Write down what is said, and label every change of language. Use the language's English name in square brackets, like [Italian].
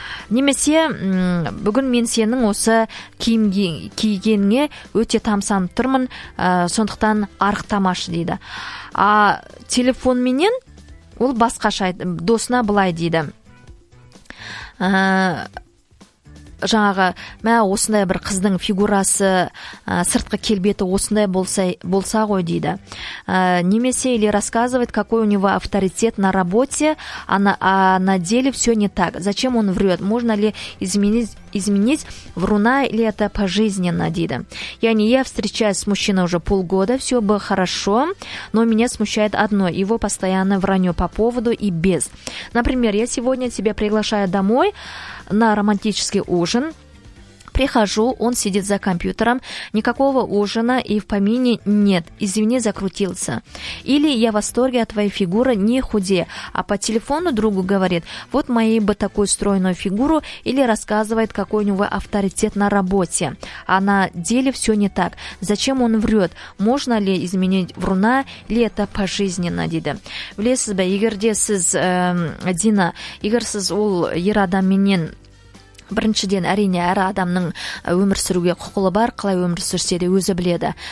[Kazakh] Немесе бүгін мен сенің осы киігеніңе өте тамсанып тұрмын, сондықтан арықтамашы дейді. А телефонменен ол басқаша досына былай дейді. Жаңағы, мә, осындай бір қыздың фигурасы, сыртқы келбеті осындай болса ғой дейді. Немесе, [Russian] или рассказывает, какой у него авторитет на работе, а на деле все не так. Зачем он врет? Можно ли изменить вруна, или это пожизненно [Kazakh] дейді. Яғни, [Russian] я встречаюсь с мужчиной уже полгода, все бы хорошо, но меня смущает одно, его постоянное вранье по поводу и без. Например, я сегодня тебя приглашаю домой на романтический ужин. Прихожу, он сидит за компьютером, никакого ужина и в помине нет, извини, закрутился. Или я в восторге от твоей фигуры, не худе, а по телефону другу говорит, вот моей бы такую стройную фигуру, или рассказывает, какой у него авторитет на работе. А на деле все не так. Зачем он врет? Можно ли изменить вруна, или это пожизненно, деда? [Kazakh] Влезсіз бе, егерде сіз, Дина, егер сіз ол ер адамменен, біріншіден, әрине, әр адамның өмір сүруге құқылы бар, қалай өмір сүрсе де өзі біледі.